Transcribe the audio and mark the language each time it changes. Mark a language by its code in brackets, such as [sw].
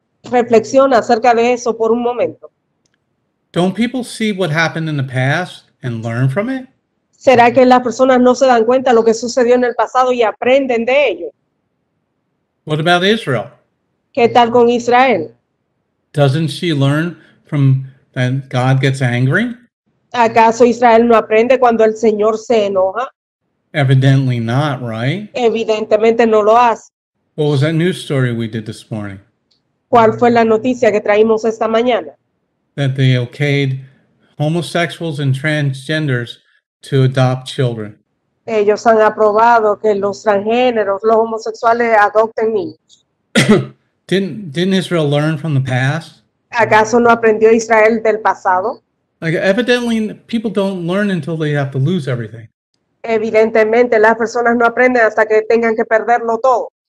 [es] Reflexiona acerca de eso por un momento. [en] Don't people see what happened in the past and learn from it? [es] ¿Será que las personas no se dan cuenta de lo que sucedió en el pasado y aprenden de ello? [en] What about Israel? [es] ¿Qué tal con Israel? [en] Doesn't she learn from that God gets angry? [es] ¿Acaso Israel no aprende cuando el Señor se enoja? [en] Evidently not, right? [es] Evidentemente no lo hace. [en] What was that news story we did this morning? [es] ¿Cuál fue la noticia que traímos esta mañana? [en] That they okayed homosexuals and transgenders to adopt children. [es] Ellos han aprobado que los transgéneros, los homosexuales, adopten niños. [en] Didn't Israel learn from the past? [es] ¿Acaso no aprendió Israel del pasado? [en] Like, evidently, people don't learn until they have to lose everything. [es] Evidentemente, las personas no aprenden hasta que tengan que perderlo todo.